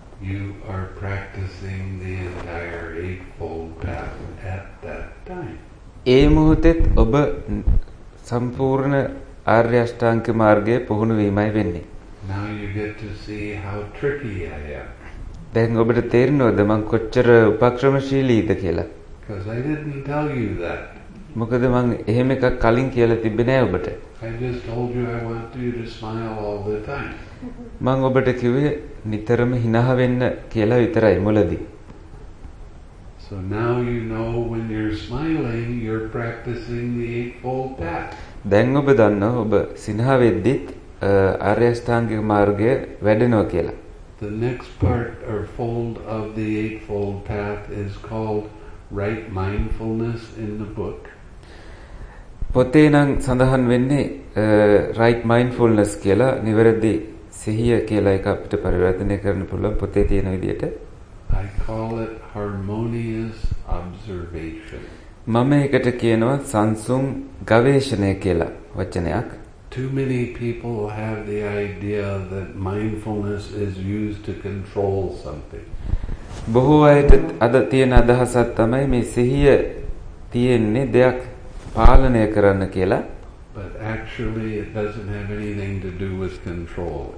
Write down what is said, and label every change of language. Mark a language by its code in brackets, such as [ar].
[en] you are practicing the entire eightfold path at that time. [si] ඒ මොහොතෙත් ඔබ සම්පූර්ණ ආර්ය අෂ්ටාංගික මාර්ගයේ පුහුණු වීමයි වෙන්නේ. [en] Now you get to see how tricky I am. [si] දැන් ඔබට තේරෙනවද මං කොච්චර උපක්‍රමශීලීද කියලා? [en] Because I didn't tell you that. [si] මොකද මං එහෙම එකක් කලින් කියලා තිබ්බේ නෑ ඔබට. [en] I just told you I want you to smile all the time. [si] මං ඔබට කිව්වේ නිතරම හිනහ වෙන්න කියලා විතරයි මුලදී. [en] So now you know when you're smiling you're practicing the eightfold path. [si] දැන් ඔබ දන්නවා ඔබ සිනහවෙද්දි ආර්ය අෂ්ටාංගික මාර්ගය වැඩෙනවා කියලා. [en] The next part or fold of the eightfold path is called right mindfulness in the book. [si] පොතේ නම් සඳහන් වෙන්නේ [en] right mindfulness [si] කියලා, නිවැරදි සිහිය කියලා එක අපිට පරිවර්තනය කරන්න පුළුවන් පොතේ තියෙන විදිහට. [en] I call it harmonious observation. [si] මම ඒකට කියනවා සංසුන් ගවේෂණය කියලා වචනයක්. [en] Too many people have the idea that mindfulness is used to control something. [si] බොහෝ අයට අද තියෙන අදහසක් තමයි මේ සිහිය තියෙන්නේ දෙයක් පාලනය කරන්න කියලා. [en] But actually it doesn't have anything to do with control.